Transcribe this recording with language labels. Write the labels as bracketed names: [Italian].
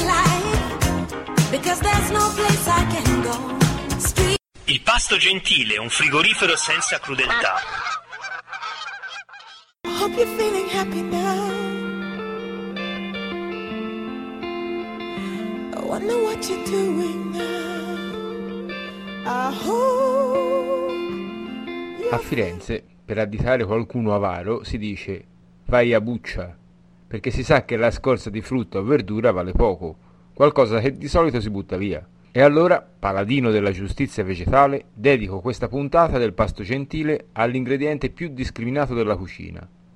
[English] life because there's no place I can go. [Italian] Il pasto gentile, un frigorifero senza crudeltà. [English] Hope you're feeling happy now. I wonder what you're doing now. I hope. [Italian] A Firenze, per additare qualcuno avaro, si dice vai a buccia, perché si sa che la scorza di frutta o verdura vale poco, qualcosa che di solito si butta via. E allora, paladino della giustizia vegetale, dedico questa puntata del pasto gentile all'ingrediente più discriminato della cucina.